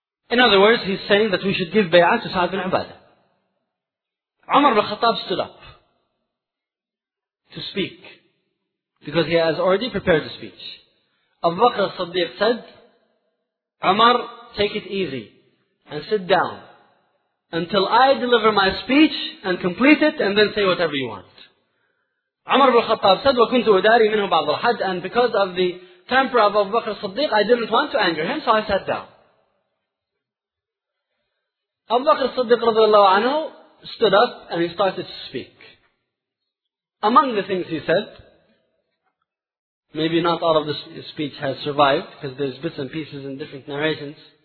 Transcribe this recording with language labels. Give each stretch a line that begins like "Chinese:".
English: In other words, he's saying that we should give bay'ah to Sa'd bin Ubadah. Umar bin Khattab stood up to speak because he has already prepared the speech. Abu Bakr as-Siddiq said, Umar, take it easy and sit down until I deliver my speech and complete it and then say whatever you want. Umar bin Khattab said,
Arabic: وَكُنْتُ أُدَارِي مِنْهُ بَعْضَ الْحَدِ.
English: And because of the temper of Abu Bakr as-Siddiq, I didn't want to anger him, so I sat down. Abu Bakr as-Siddiq radiallahu anhu stood up and he started to speak. Among the things he said, maybe not all of this speech has survived because there's bits and pieces in different narrations.